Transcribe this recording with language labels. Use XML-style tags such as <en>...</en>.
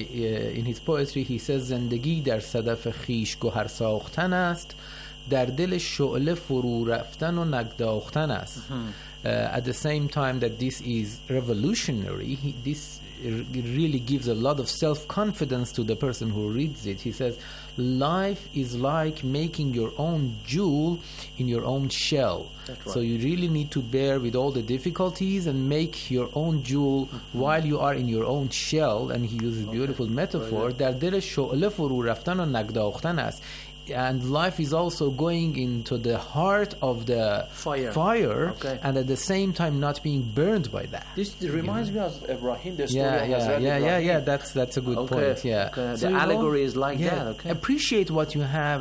<en>In his poetry, he says,</en> <fa>زندگی در صدف خیش گوهر ساختن است، در دل شعله فرو رفتن و نگداختن است.</fa> <en>At the same time that this is revolutionary, this really gives a lot of self-confidence to the person who reads it. He says, life is like making your own jewel in your own shell. Right. So you really need to bear with all the difficulties and make your own jewel while you are in your own shell. And he uses beautiful metaphor.</en> <fa>در دل شعله فرو رفتن و نگداختن است.</fa> <en>And life is also going into the heart of the fire. Okay. And at the same time not being burned by that. This reminds me of Ibrahim, the story That's a good point. Yeah. Okay. So the allegory is like that. Okay. Appreciate what you have.</en>